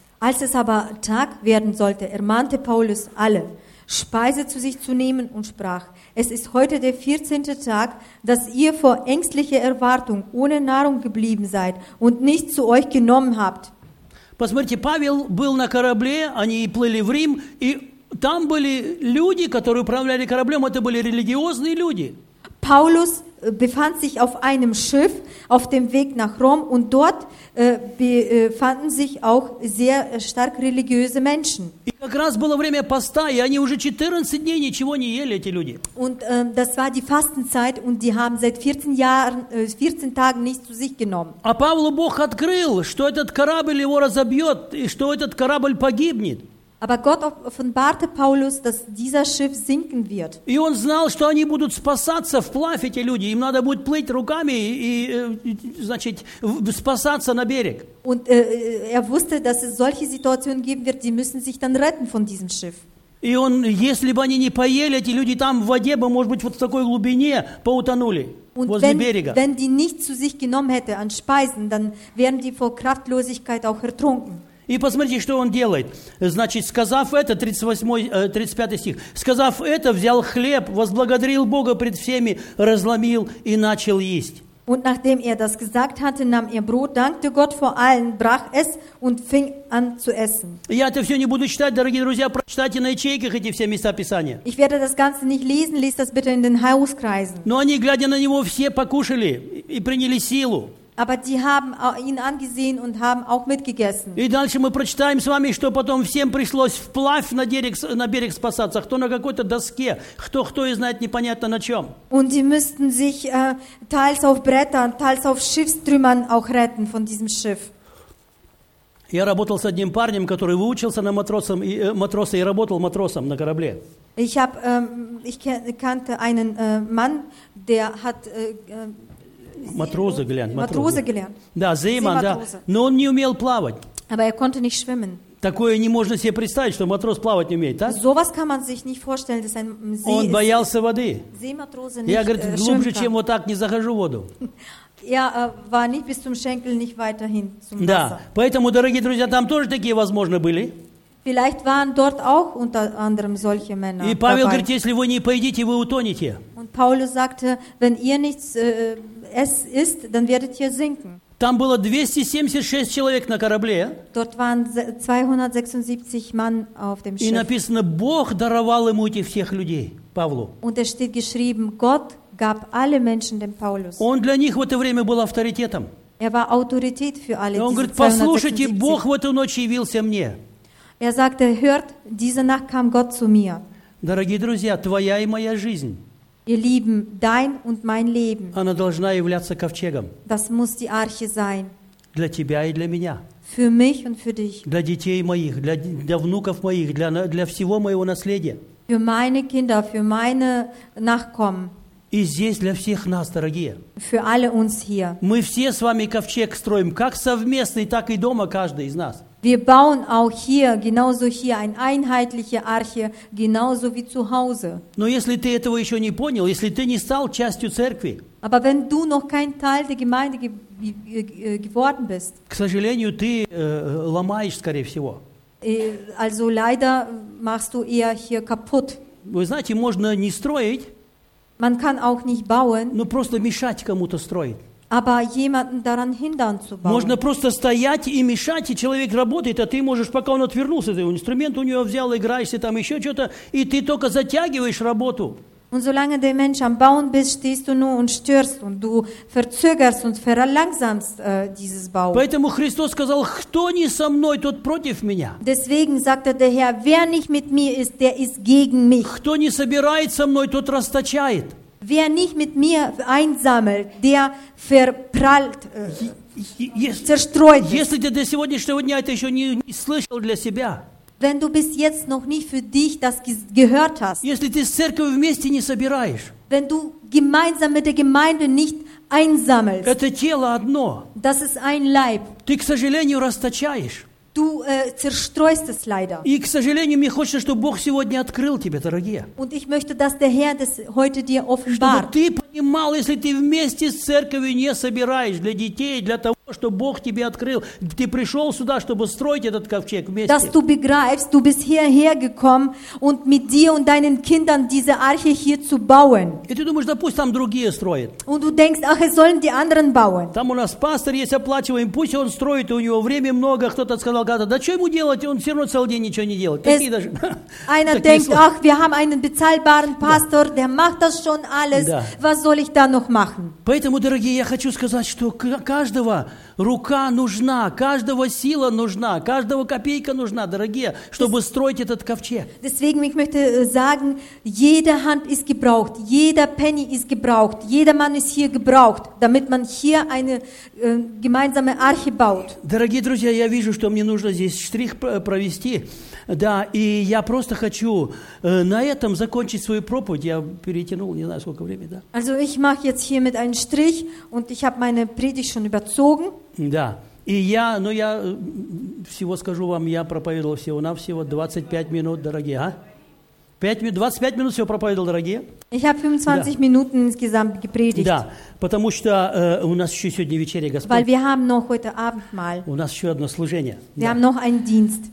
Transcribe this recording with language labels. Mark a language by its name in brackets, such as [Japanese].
[German] Als es aber Tag werden sollte, ermahnte Paulus alle, Speise zu sich zu nehmen und sprach, es ist heute der 14. Tag, dass ihr vor ängstlicher Erwartung ohne Nahrung geblieben seid und nichts zu euch genommen habt. [Russian] Посмотрите, Павел был на корабле, они плыли в Рим, и там были люди, которые управляли кораблем, это были религиозные люди. [German] Paulus befand sich auf einem Schiff auf dem Weg nach Rom und dort befanden sich auch sehr stark religiöse Menschen. [Russian] И как раз было время поста, и они уже 14 дней ничего не ели, эти люди. [German] Und das war die Fastenzeit und die haben seit 14 Tagen nichts zu sich genommen. [Russian] А Павлу Бог открыл, что этот корабль его разобьет, и что этот корабль погибнет. [German] Aber Gott offenbarte Paulus, dass dieser Schiff sinken wird. [Russian] И он знал, что они будут спасаться вплавь эти люди. Им надо будет плыть руками и, значит, спасаться на берег. [German] Und er wusste, dass es solche Situationen geben wird, die müssen sich dann retten von diesem Schiff. [Russian] И он, если бы они не поели, эти люди там в воде бы, может быть, вот в такой глубине поутонули [German] und [Russian] возле [German] wenn, [Russian] берега. [German] Wenn die nicht zu sich genommen hätte an Speisen, dann wären die vor Kraftlosigkeit auch ertrunken. [Russian] И посмотрите, что он делает. Значит, сказав это, 35 стих, сказав это, взял хлеб, возблагодарил Бога пред всеми, разломил и начал есть. [German] Und nachdem er das gesagt hatte, nahm er Brot, dankte Gott vor allen, brach es und fing an zu essen. [Russian] Я это все не буду читать, дорогие друзья, прочитайте на ячейках эти все места Писания. [German] Ich werde das Ganze nicht lesen, lies das bitte in den Hauskreisen. [Russian] Но они, глядя на него, все покушали и приняли силу. [German] Aber die haben ihn angesehen und haben auch mitgegessen. [Russian] И дальше мы прочитаем с вами, что потом всем пришлось вплавь на берег спасаться, кто на какой-то доске, кто и знает непонятно на чем. [German] Und die müssten sich teils auf Brettern, teils auf Schiffstrümmern auch retten von diesem Schiff. [Russian] Я работал с одним парнем, который выучился на матроса и работал матросом на корабле. [German] Ich kannte einen Mann, der hat Матроза гелен. [Russian] Да, Зейман, да. Но он не умел плавать. [German] Aber er konnte nicht schwimmen. [Russian] Такое не можно себе представить, что матрос плавать не умеет, да? [German] So was kann man sich nicht vorstellen, dass ein Seematrose. [Russian] Он боялся воды. [German] Seematrose nicht. [Russian] Я говорю, глубже, чем вот так, не захожу в воду. [German] Я war nicht bis zum Schenkel, nicht weiterhin zum Wasser. [Russian] Да, поэтому, дорогие друзья, там тоже такие возможны были. [German] Vielleicht waren dort auch unter anderem solche Männer. [Russian] И Павел [German] dabei. [Russian] Говорит, если вы не поедите, вы утонете. [German] Und Paulus sagte, wenn ihr nichts es ist, dann werdet ihr sinken. [Russian] Там было 276 человек на корабле. [German] Dort waren 276 Mann auf dem Schiff. [Russian] И написано, Бог даровал ему этих всех людей, Павлу. [German] Und es steht geschrieben, Gott gab alle Menschen dem Paulus. [Russian] Он для них в это время был авторитетом. [German] Er war Autorität für alle. [Russian] Он говорит, послушайте, Бог в эту ночь явился мне. [German] Er sagte, hört, diese Nacht kam Gott zu mir. [Russian] Дорогие друзья, твоя и моя жизнь. [German] Ihr Lieben, dein und mein Leben. [Russian] Она должна являться ковчегом. [German] Das muss die Arche sein. [Russian] Для тебя и для меня. [German] Für mich und für dich. [Russian] Для детей моих, для внуков моих, для всего моего наследия. [German] Für meine Kinder, für meine Nachkommen. [Russian] И здесь для всех нас, дорогие. [German] Für alle uns hier. [Russian] Мы все с вами ковчег строим, как совместный, так и дома каждый из нас. [German] Wir bauen auch hier, genauso hier, eine einheitliche Arche, genauso wie zu Hause. [Russian] Но если ты этого еще не понял, если ты не стал частью церкви, [German] aber wenn du noch kein Teil der Gemeinde geworden bist, [Russian] к сожалению, ты ломаешь, скорее всего. [German] Also leider machst du eher hier kaputt. [Russian] Вы знаете, можно не строить, [German] man kann auch nicht bauen, [Russian] но просто мешать кому-то строить. [German] Aber jemanden daran hindern zu bauen. [Russian] Можно просто стоять и мешать, и человек работает, а ты можешь, пока он отвернулся, ты инструмент у него взял, играешься там еще что-то, и ты только затягиваешь работу. [German] Und solange der Mensch am Bauen bist, stehst du nur und störst, und du verzögerst und verlangsamst dieses Bauen. [Russian] Поэтому Христос сказал, кто не со мной, тот против меня. [German] Deswegen sagte der Herr, wer nicht mit mir ist, der ist gegen mich. [Russian] Кто не собирает со мной, тот расточает. [German] Wer nicht mit mir einsammelt, der verprallt, zerstreut. [Russian] Если ты до сегодняшнего дня это еще не слышал для себя. [German] Wenn du bis jetzt noch nicht für dich das gehört hast. [Russian] Если ты с церковью вместе не собираешь. [German] Wenn du gemeinsam mit der Gemeinde nicht einsammelst. [Russian] Это тело одно. [German] Das ist ein Leib. [Russian] Ты, к сожалению, расточаешь. [German] Du zerstreust es leider. [Russian] И, к сожалению, мне хочется, чтобы Бог сегодня открыл тебе, дорогие. [German] Und ich möchte, dass der Herr das heute dir offenbart. [Russian] Чтобы ты понимал, если ты вместе с церковью не собираешь для детей, для того, чтобы Бог тебе открыл, ты пришел сюда, чтобы строить этот ковчег вместе. [German] Dass du begreifst, du bist hierher gekommen und mit dir und deinen Kindern diese Arche hier zu bauen. [Russian] И ты думаешь, да пусть там другие строят. [German] Und du denkst, ach, es sollen die anderen bauen. [Russian] Там у нас пастор есть, оплачиваем, пусть он строит, у него времени много, кто-то сказал, да что ему делать, он все равно целый день ничего не делает. [German] Einer denkt, ach, wir haben einen bezahlbaren Pastor, der macht das schon alles, was soll ich da noch machen? [Russian] Поэтому, дорогие, я хочу сказать, что каждого Рука нужна, каждого сила нужна, каждого копейка нужна, дорогие, чтобы строить этот ковчег. [German] Deswegen ich möchte sagen, jede Hand ist gebraucht, jeder Penny ist gebraucht, jeder Mann ist hier gebraucht, damit man hier eine gemeinsame Arche baut. [Russian] Дорогие друзья, я вижу, что мне нужно здесь штрих провести. Да, и я просто хочу на этом закончить свою проповедь. Я перетянул, не знаю, сколько времени, да. [German] Also ich mache jetzt hiermit einen Strich und ich habe meine Predigt schon überzogen. [Russian] Да, и я, ну я всего скажу вам, я проповедовал всего-навсего 25 минут, дорогие, а? 25 минут всего проповедовал, дорогие. [German] Ich habe 25 да. Minuten insgesamt gepredigt. [Russian] Да, потому что у нас еще сегодня вечеря, Господь. [German] Weil wir haben noch heute Abend mal. [Russian] У нас еще одно служение. [German] Wir haben noch einen Dienst.